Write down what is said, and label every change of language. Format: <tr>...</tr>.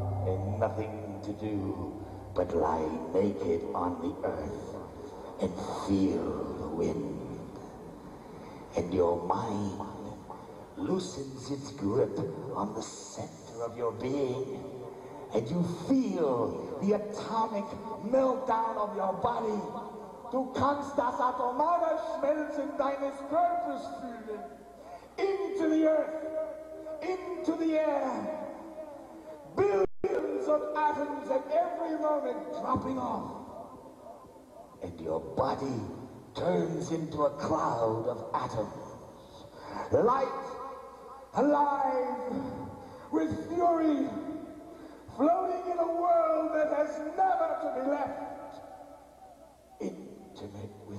<en>And nothing to do but lie naked on the earth and feel the wind. And your mind loosens its grip on the center of your being. And you feel the atomic meltdown of your body.</en> <de>Du kannst das atomare Schmelzen deines Körpers fühlen.</de> <en>Into the earth. Into the air, billions of atoms at every moment dropping off, and your body turns into a cloud of atoms, light, alive, with fury, floating in a world that has never to be left, intimate.</en>